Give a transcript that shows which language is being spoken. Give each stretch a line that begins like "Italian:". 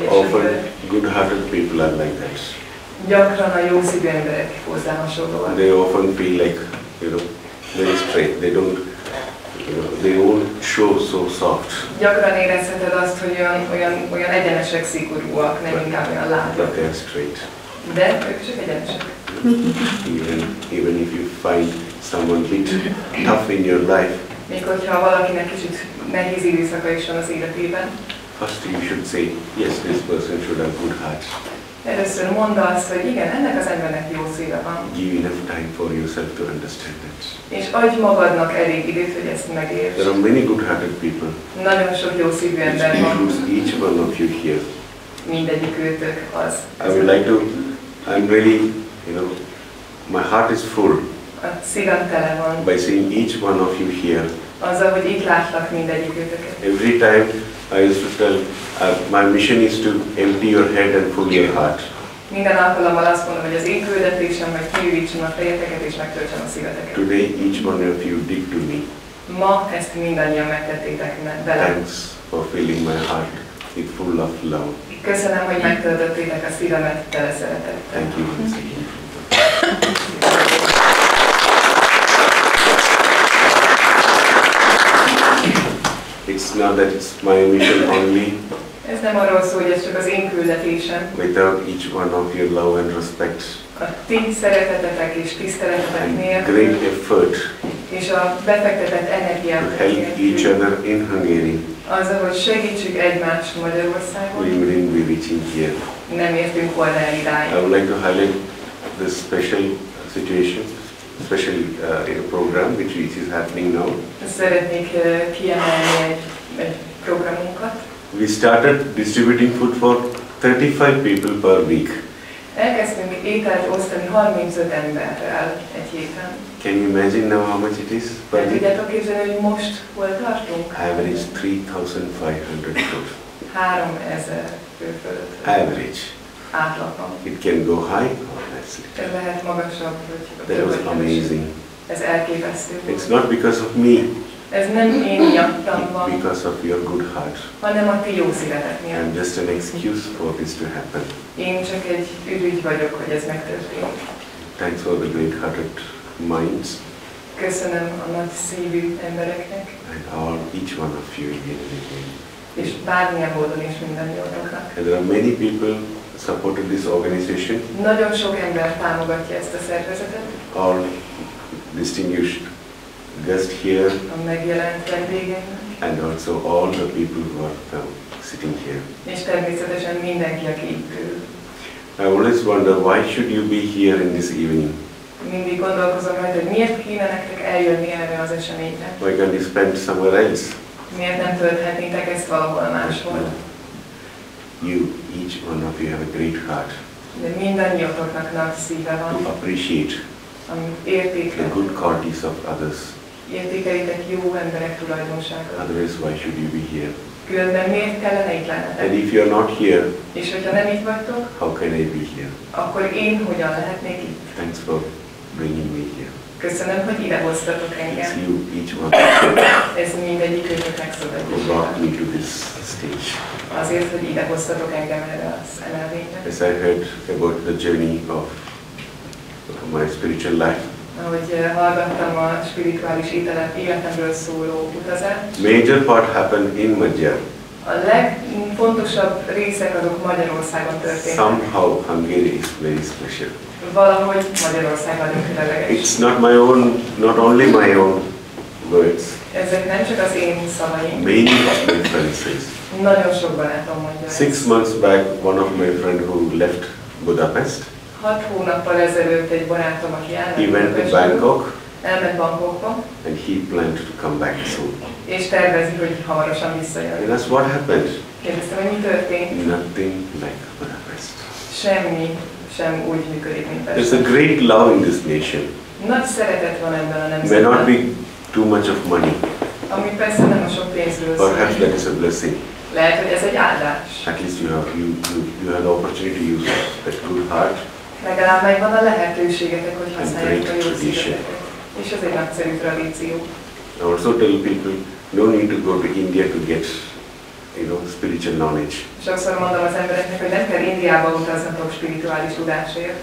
English: Often good hearted people are like that.
Hungarian: Gyakran a jó szívű emberek hozzá hasonlóan.
English: They often feel like, you know, very straight. They don't. You know, they won't show so soft.
Hungarian: Gyakran érezheted azt, hogy olyan egyenesek, szigorúak, nem inkább olyan látok.
English: But they're straight.
Hungarian: De ők csak egyenesek.
English: Even if you find someone a bit tough in your life.
Hungarian: Még hogyha valakinek kicsit nehéz időszaka is van az életében.
English: First you should say, yes, this person should have good heart.
Hungarian: Először mondd azt, hogy igen, ennek az embernek jó szíve van.
English: Give enough time for yourself to understand that.
Hungarian: És adj magadnak elég időt, hogy ezt megérts.
English: There are many good-hearted people.
Hungarian: Nagyon sok jó szívű ember van.
English: Each one of you here.
Hungarian: Mindegyik őtök az.
English: I would like to, I'm really, you know, my heart is full.
Hungarian: A szívem tele van.
English: By seeing each one of you here.
Hungarian: Azzal, hogy itt látlak mindegyik őtöket.
English: Every time I used to tell, my mission is to empty your head and fill your heart.
Hungarian: Minden alkalommal azt mondom, hogy az én küldetésem, hogy kiürítsem a fejeteket és megtöltsem a szíveteket.
English: Today each one of you did to me.
Hungarian: Ma ezt mindannyian megtettétek velem.
English: Thanks for filling my heart with full of love.
Hungarian: Köszönöm, hogy megtöltöttétek a szívemet tele szeretettel.
English: Thank you. It's not that it's my mission only.
Hungarian: Ez nem arról szól, hogy ez csak az én küldetésem.
English: Without each one of your love and respect.
Hungarian: A ti szeretetetek és tiszteletetek nélkül.
English: Great effort.
Hungarian: És a befektetett energiát.
English: To help each other in Hungary.
Hungarian: Az, hogy segítsük egymást Magyarországon.
English: We bring we reaching here.
Hungarian: Nem értünk volna idáig.
English: I would like to highlight this special situation. Especially in a program which is happening now.
Hungarian: Szeretnék kiemelni egy programunkat.
English: We started distributing food for 35 people per week.
Hungarian: Elkezdtünk ételt osztani 35 emberrel egy héten.
English: Can you imagine now how much it is?
Hungarian: Nem tudjátok képzelni, hogy most hol tartunk?
English: Average 3,500 food.
Hungarian: 3,000 fő fölött.
English: Average.
Hungarian: Átlapom.
English: It can go high or less. It
Hungarian: lehet magasabb, hogy a
English: that was amazing.
Hungarian: Ez elképesztő.
English: It's not because of me.
Hungarian: Ez nem én miattam van.
English: Because of your good heart.
Hungarian: Hanem a ti jó szívetek miatt.
English: I'm just an excuse for this to happen.
Hungarian: Én csak egy ürügy vagyok, hogy ez megtörténjen.
English: Thanks for the great-hearted minds.
Hungarian: Köszönöm a nagy szívű embereknek.
English: And all each one of you in the game.
Hungarian: És bármilyen módon is minden jótoknak.
English: And there are many people supported this organization.
Hungarian: Nagyon sok ember támogatja ezt a szervezetet.
English: All distinguished guest here.
Hungarian: A megjelent vendégeknek.
English: And also all the people who are sitting here.
Hungarian: És természetesen mindenki, aki itt ül.
English: I always wonder why should you be here in this evening.
Hungarian: Mindig gondolkozom, hogy miért kéne nektek eljönni erre az eseményre.
English: Why can't you spend somewhere else?
Hungarian: Miért nem tölthetnétek ezt valahol máshol?
English: You, each one of you have a great heart.
Hungarian: De mindannyiatoknak nagy szíve van.
English: To appreciate.
Hungarian: Amit értékel.
English: The good qualities of others.
Hungarian: Értékelitek jó emberek tulajdonságot.
English: Otherwise, why should you be here?
Hungarian: Különben miért kellene itt lennetek?
English: And if you're not here.
Hungarian: És hogyha nem itt vagytok.
English: How can I be here?
Hungarian: Akkor én hogyan lehetnék itt?
English: Thanks for bringing me here.
Hungarian: Köszönöm, hogy ide hoztatok engem.
English: It's you, each one of you.
Hungarian: Ez mindegyik önöknek szabadítása.
English: Who brought me to this stage.
Hungarian: Azért, hogy ide hoztatok engem erre az emelvényre.
English: As I heard about the journey of my spiritual life.
Hungarian: Ahogy hallgattam a spirituális életemről szóló utazást.
English: Major part happened in Madhya.
Hungarian: A legfontosabb részek azok Magyarországon történtek.
English: Somehow Hungary is very special.
Hungarian: Valahogy Magyarország nagyon különleges.
English: It's not my own, not only my own words.
Hungarian: Ezek nem csak az én szavaim.
English: Many of my friends says.
Hungarian: Nagyon sok barátom mondja.
English: Six months back, one of my friend who left Budapest.
Hungarian: 6 hónappal ezelőtt egy barátom, aki elment.
English: He went to Bangkok.
Hungarian: Elment Bangkokba.
English: And he planned to come back soon.
Hungarian: És tervezi, hogy hamarosan visszajön.
English: And that's what happened.
Hungarian: Kérdeztem, hogy mi történt.
English: Nothing like Budapest.
Hungarian: Semmi. Sem úgy működik, mint Pest.
English: There's a great love in this nation.
Hungarian: Nagy szeretet van ebben a nemzetben.
English: May not be too much of money.
Hungarian: Ami persze nem a sok pénzről szól.
English: Perhaps that is a blessing.
Hungarian: Lehet, hogy ez egy áldás.
English: At least you have the opportunity to use that good heart.
Hungarian: Legalább megvan a lehetőségetek, hogy használjátok a jó szívetek. És ez egy nagyszerű tradíció.
English: I also tell people, no need to go to India to get spiritual knowledge.
Hungarian: Sokszor mondom az embereknek, hogy nem kell Indiába utaznatok spirituális tudásért.